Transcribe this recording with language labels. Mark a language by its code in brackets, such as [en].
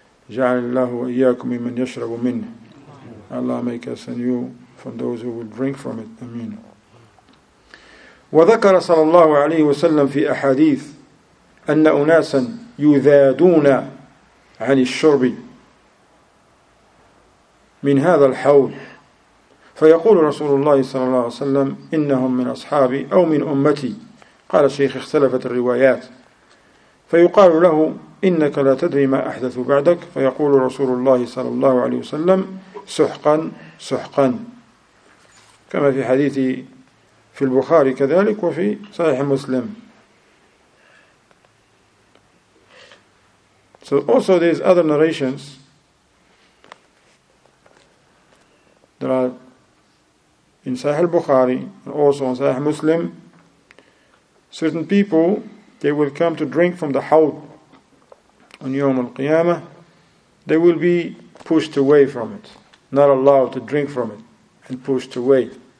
[ar] جعل الله وإياكم ممن يشرب منه. [en] Allah make us and you from those who will drink from it. Amen. [ar] وذكر صلى الله عليه وسلم في أحاديث أن أناسا يذادون عن الشرب من هذا الحوض فيقول رسول الله صلى الله عليه وسلم إنهم من أصحابي أو من أمتي. قال الشيخ اختلفت الروايات فيقال له إنك لا تدري ما أحدث بعدك فيقول رسول الله صلى الله عليه وسلم سحقا سحقا كما في حديث في البخاري كذلك وفي صحيح مسلم. [en] So also there's other narrations that are in صحيح البخاري and also on صحيح مسلم. Certain people, they will come to drink from the حوض on Yawm al-Qiyamah, they will be pushed away from it, not allowed to drink from it, and pushed away.